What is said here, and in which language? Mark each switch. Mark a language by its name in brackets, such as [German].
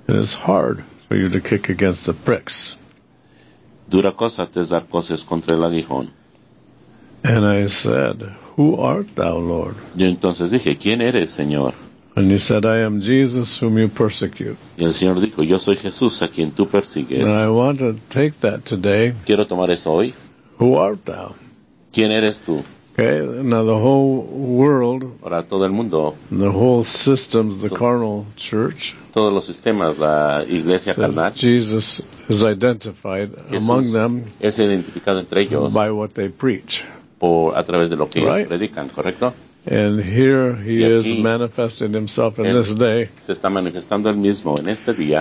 [English] It is hard for you to kick against the pricks. [Spanish] Dura cosa te es dar cosas contra el aguijón. [English] And I said, who art thou, Lord? [Spanish] Y entonces dije, ¿quién eres, Señor? [English] And he said, I am Jesus whom you persecute. [Spanish] Y el Señor dijo, yo soy Jesús a quien tú persigues. [English] And I want to take that today. [Spanish] Quiero tomar eso hoy. [English] Who art thou? [Spanish] ¿Quién eres tú? [English] Okay, now the whole world, [Spanish] para todo el mundo, [English] the whole systems, the carnal church, [Spanish] todos los sistemas, la iglesia carnal, [English] Jesus is identified [Spanish] Jesús [English] among them [Spanish] es identificado entre ellos [English] by what they preach. [Spanish] Por, a través de lo que ellos predican, ¿correcto? [English] And here he is manifesting himself in this day. [Spanish] Se está manifestando él mismo en este día.